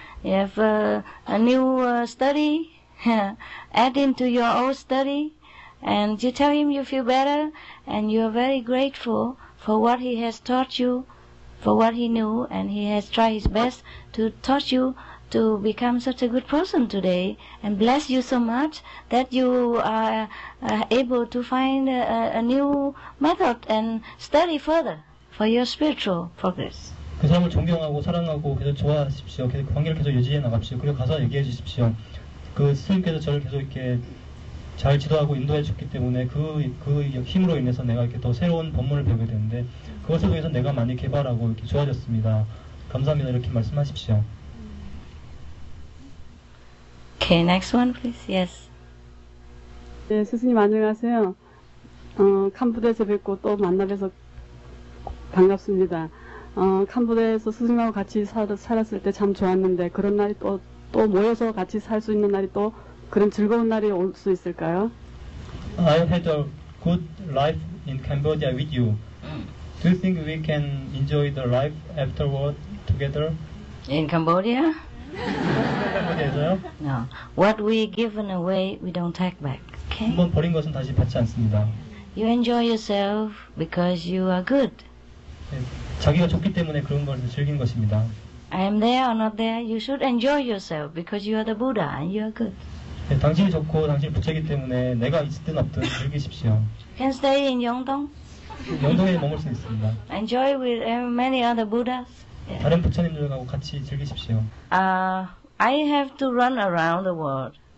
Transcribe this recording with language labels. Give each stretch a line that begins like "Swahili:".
English: You have a new study, add into your old study, and you tell him you feel better, and you are very grateful for what he has taught you, for what he knew, and he has tried his best to taught you to become such a good person today, and bless you so much that you are able to find a new method and study further for your spiritual progress.
Korean: 그 사람을 존경하고 사랑하고 계속 좋아하십시오. 계속 관계를 계속 유지해 나갑시오. 그리고 가서 얘기해 주십시오. 그 스님께서 저를 계속 이렇게 잘 지도하고 인도해 주셨기 때문에 그 힘으로 인해서 내가 이렇게 더 새로운 법문을 배우게 되는데 그것을 통해서 내가 많이 개발하고 이렇게 좋아졌습니다. 감사합니다. 이렇게 말씀하십시오.
English: Okay, next one, please. Yes.
Korean: 네, 스승님 안녕하세요. 캄보디아에서 뵙고 또 만나뵈서 반갑습니다. 캄보디아에서 스승님하고 같이 살았을 때 참 좋았는데 그런 날이 또 모여서 같이 살 수 있는 날이 또 그런 즐거운 날이 올 수 있을까요?
English: I had a good life in Cambodia with you. Do you think we can enjoy the life afterward together? In Cambodia? No. What we given away, we don't take back. Okay?
Korean: 한번 버린 것은 다시 받지 않습니다.
English: You enjoy yourself because you are good.
Korean: 자기가 좋기 때문에 그런 걸 즐긴 것입니다.
English: I am there or not there, you should enjoy yourself because you are the Buddha and you are good.
Korean: 네, 당신이 좋고 당신이 부처이기 때문에 내가 있든 없든 즐기십시오.
English: Can stay in Yeongdong?
Korean: 영동에 머물 수 있습니다.
English: Enjoy with many other Buddhas. Yeah.
Korean: 다른 부처님들하고 같이 즐기십시오.
English: I have to run around the world.